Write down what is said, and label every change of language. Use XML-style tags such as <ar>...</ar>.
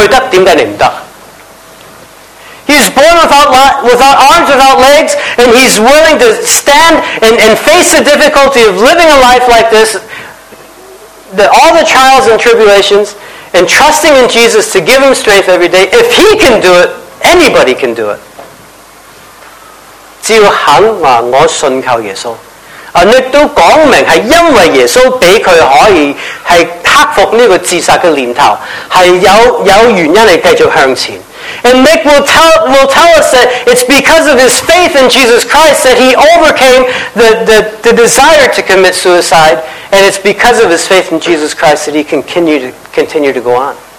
<en>He's born without arms, without legs, and he's willing to stand and face the difficulty of living a life like this, all the trials and tribulations, and trusting in Jesus to give him strength every day. If he can do it, anybody can do it.</en> <zh>只要肯說我信靠耶穌，阿力都講明是因為耶穌讓他可以克服這個自殺的念頭，是有原因繼續向前。</zh> <en>And Nick will tell us that it's because of his faith in Jesus Christ that he overcame the desire to commit suicide, and it's because of his faith in Jesus Christ that he continue to go on.</en>